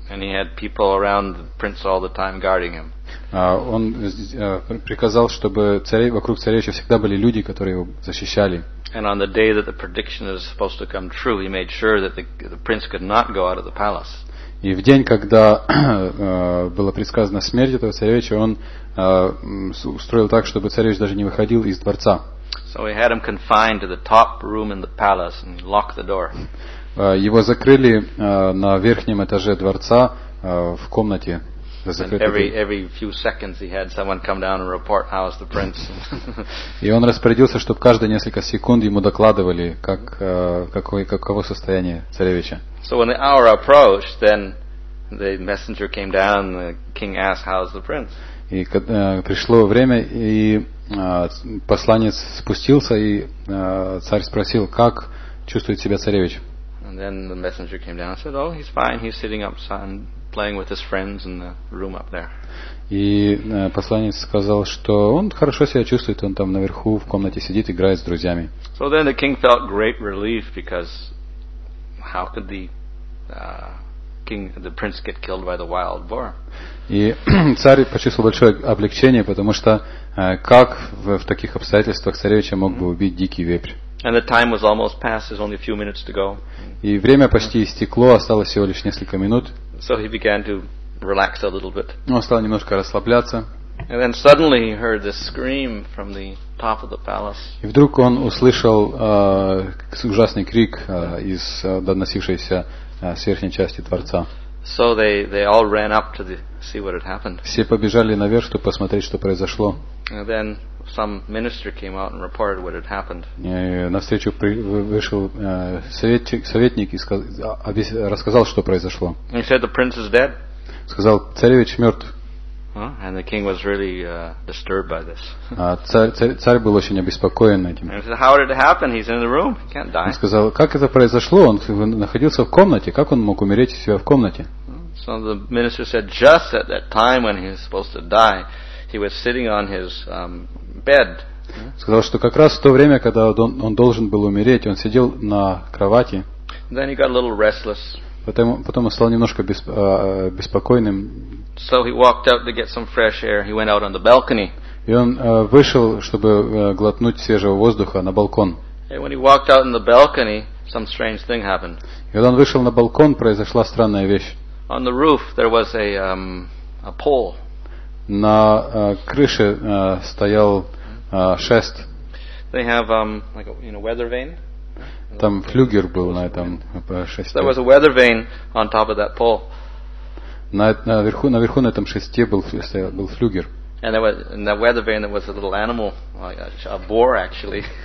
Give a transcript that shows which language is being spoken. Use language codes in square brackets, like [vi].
[en] And he had people around the prince all the time guarding him. [ru] Он приказал, чтобы вокруг царевича всегда были люди, которые его защищали. [en] And on the day that the prediction was supposed to come true, he made sure that the prince could not go out of the palace. [ru] И в день, когда была предсказана смерть этого царевича, он устроил так, чтобы царевич даже не выходил из дворца. [en] So he had him confined to the top room in the palace and locked the door. [ru] Его закрыли на верхнем этаже дворца в комнате. [en] Every few seconds he had someone come down and report how is the prince. [ru] И он распорядился, чтобы каждые несколько секунд ему докладывали, каково состояние царевича. [en] So when the hour approached, then the messenger came down and the king asked, how is the prince? [ru] И пришло время, и посланец спустился, и царь спросил, как чувствует себя царевич. [en] And then the messenger came down and said, oh, he's fine, he's sitting up and playing with his friends in the room up there. [ru] И посланец сказал, что он хорошо себя чувствует, он там наверху в комнате сидит, играет с друзьями. [en] So then the king felt great relief, because how could the king, the prince, get killed by the wild boar? [ru] И царь почувствовал большое облегчение, потому что как в таких обстоятельствах царевича мог бы убить дикий вепрь? [en] And the time was almost past. There's only a few minutes to go. [ru] И время почти истекло, осталось всего лишь несколько минут. [en] So he began to relax a little bit. [ru] Он стал немножко расслабляться. [en] And then suddenly he heard this scream from the top of the palace. [ru] И вдруг он услышал ужасный крик из доносившейся с верхней части дворца. [en] So they all ran up to see what had happened. [ru] Все побежали наверх, чтобы посмотреть, что произошло. [en] And then some minister came out and reported what had happened. [ru] На встречу вышел советник и рассказал, что произошло. [en] He said the prince is dead. [ru] Сказал, царевич мертв. [en] And the king was really disturbed by this. [ru] Царь был очень обеспокоен этим. [en] He said, how did it happen? He's in the room. He can't die. [ru] Он сказал, как это произошло? Он находился в комнате. Как он мог умереть у себя в комнате? [en] So the minister said, just at that time when he was supposed to die, he was sitting on his bed. [ru] Сказал, что как раз в то время, когда он должен был умереть, он сидел на кровати. [en] Then he got a little restless. [ru] Потом он стал немножко беспокойным. [en] So he walked out to get some fresh air. He went out on the balcony. [ru] И он вышел, чтобы глотнуть свежего воздуха на балкон. [en] And when he walked out on the balcony, some strange thing happened. [ru] И когда он вышел на балкон, произошла странная вещь. [en] On the roof there was a pole. [ru] На крыше стоял шест. [en] They have like a, you know, weather vane. [ru] Там флюгер был на этом шесте. [en] There was a weather vane on top of that pole. [ru] Наверху на этом шесте был флюгер. [en] And there was in that weather vane there was a little animal, a boar actually.